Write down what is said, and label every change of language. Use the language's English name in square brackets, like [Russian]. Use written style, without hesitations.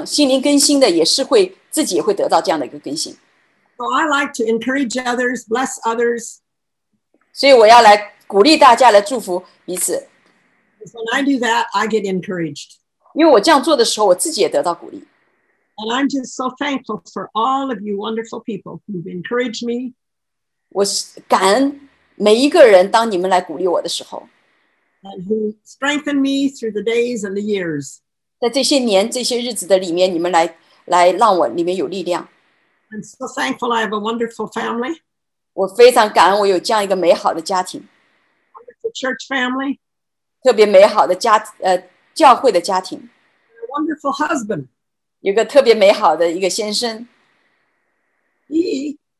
[Chinese] 另外的一个翻译就是说，你让人家感觉到心灵更新的，也是会自己也会得到这样的一个更新。 [English] So I like to encourage others, bless others. [Chinese] 所以我要来鼓励大家，来祝福彼此。 [English] Because when I do that, I get encouraged. [Chinese] 因为我这样做的时候，我自己也得到鼓励。 [English] And I'm just so thankful for all of you wonderful people who've encouraged me. [Chinese] 我感恩每一个人，当你们来鼓励我的时候。 [English] And who strengthened me through the days and the years. [Chinese] 在这些年，这些日子的里面，你们来让我里面有力量。 [English] I'm so thankful I have a wonderful family. [Chinese] 我非常感恩我有这样一个美好的家庭。 [English] Wonderful church family. [Chinese] 特别美好的教会的家庭。 [English] A wonderful husband. [Chinese] 有个特别美好的一个先生。He